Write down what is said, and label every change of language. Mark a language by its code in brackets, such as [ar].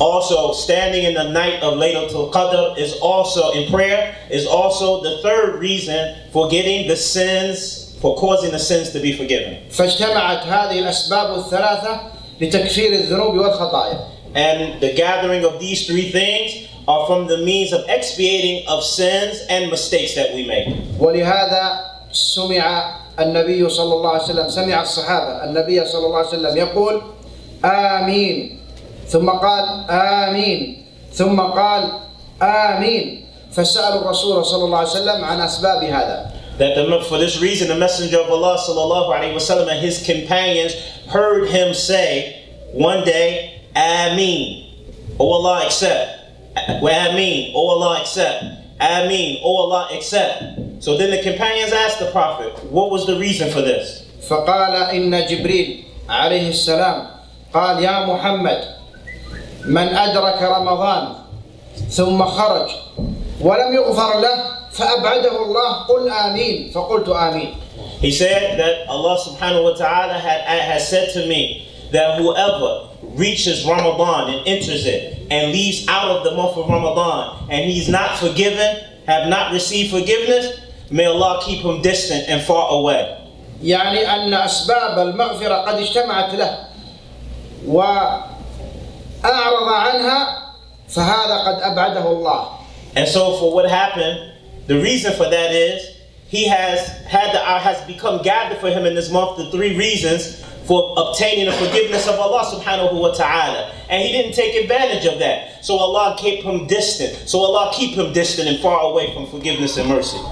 [en] Also, standing in the night of Laylatul Qadr is also, in prayer, is also the third reason for getting the sins, for causing the sins to be forgiven. [ar] فَاجْتَمَعَتْ هَذِهِ الْأَسْبَابُ الثَّلَاثَةُ لِتَكْفِيرِ الذُّنُوبِ وَالْخَطَايَا. [en] And the gathering of these three things are from the means of expiating of sins and mistakes that we make. [ar] وَلِهَذَا سُمِعَ النَّبِيُّ صَلَّى اللَّهُ عَلَيْهِ وَسَلَّمَ سَمِعَ الصَّحَابَةَ النَّبِيَّ صَلَّى اللَّهُ عَلَيْهِ وَسَلَّمَ يَقُولُ آمين ثم قال آمين ثم قال آمين فسأل الرسول صلى الله عليه وسلم عن أسباب هذا. [en] That for this reason the messenger of Allah صلى الله عليه وسلم and his companions heard him say one day آمين أو الله accept وآمين أو الله accept آمين أو الله accept. So then the companions asked the Prophet, what was the reason for this? [ar] فقال إن جبريل عليه السلام قال يا محمد من أدرك رمضان ثم خرج ولم يغفر له فأبعده الله قل آمين فقلت آمين. [en] He said that Allah subhanahu wa ta'ala has said to me that whoever reaches Ramadan and enters it and leaves out of the month of Ramadan and he's not forgiven, have not received forgiveness, may Allah keep him distant and far away. [ar] يعني أن أسباب المغفرة قد اجتمعت له وأعرض عنها فهذا قد أبعده الله. [en] And so for what happened, the reason for that is he has become gathered for him in this month the three reasons for obtaining the forgiveness of Allah subhanahu wa ta'ala, and he didn't take advantage of that, so Allah kept him distant, so Allah keep him distant and far away from forgiveness and mercy.